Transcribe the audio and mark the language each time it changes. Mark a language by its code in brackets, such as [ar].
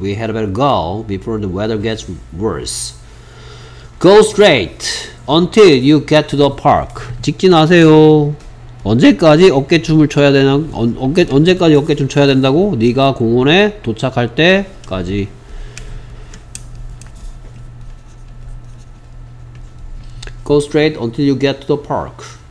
[en] We had better go before the weather gets worse. Go straight until you get to the park. [ko] 직진하세요. 언제까지 어깨춤을 춰야 되나 언제까지 어깨춤 춰야 된다고? 네가 공원에 도착할 때까지. [en] Go straight until you get to the park.